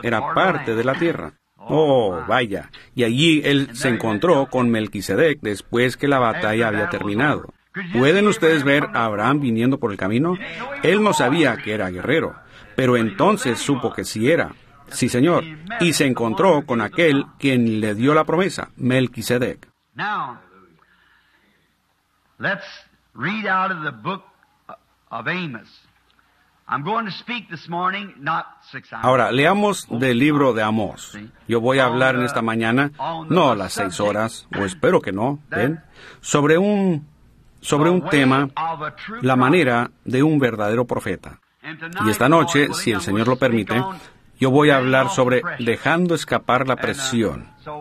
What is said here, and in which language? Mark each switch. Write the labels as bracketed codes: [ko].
[es] Era parte de la tierra. ¡Oh, vaya! Y allí él se encontró con Melquisedec después que la batalla había terminado. ¿Pueden ustedes ver a Abraham viniendo por el camino? Él no sabía que era guerrero, pero entonces supo que sí era. Sí, señor. Y se encontró con aquel quien le dio la promesa, Melquisedec. [en] Let's read out of the book of Amos. I'm going to speak this morning, not 6 hours. [es] Ahora, leamos del libro de Amós. Yo voy a hablar en esta mañana, no a las 6 horas, o espero que no, ¿ven? Sobre un tema, la manera de un verdadero profeta. Y esta noche, si el Señor lo permite, yo voy a hablar sobre dejando escapar la presión.